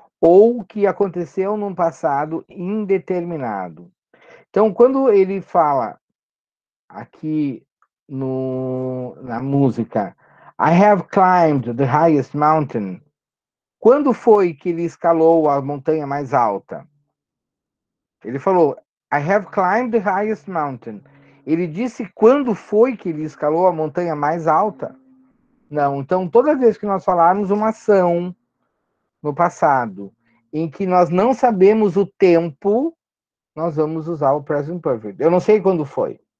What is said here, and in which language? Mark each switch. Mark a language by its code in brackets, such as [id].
[pt] Ou que aconteceu num passado indeterminado. Então, quando ele fala aqui no, na música, [en] I have climbed the highest mountain. [pt] Quando foi que ele escalou a montanha mais alta? Ele falou, [en] I have climbed the highest mountain. [pt] Ele disse quando foi que ele escalou a montanha mais alta? Não. Então, toda vez que nós falarmos uma ação no passado em que nós não sabemos o tempo, nós vamos usar o present perfect. Eu não sei quando foi.